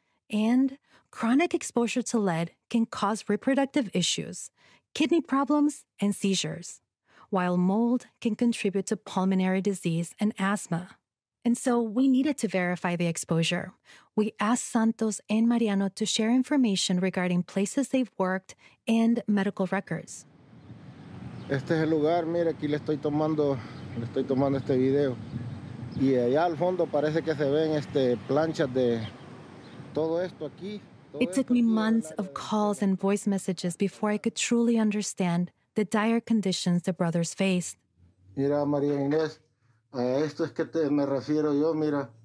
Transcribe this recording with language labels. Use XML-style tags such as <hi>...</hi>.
<en>And chronic exposure to lead can cause reproductive issues, kidney problems, and seizures, while mold can contribute to pulmonary disease and asthma. And so we needed to verify the exposure. We asked Santos and Mariano to share information regarding places they've worked and medical records.</en> <es>Este es el lugar, mira, aquí le estoy tomando este video. Y allá al fondo parece que se ven planchas de todo esto aquí.</es> <en>It took me months of calls and voice messages before I could truly understand the dire conditions the brothers faced.</en> <es>Mira, María Inés, a esto es que te me refiero yo, mira.</es>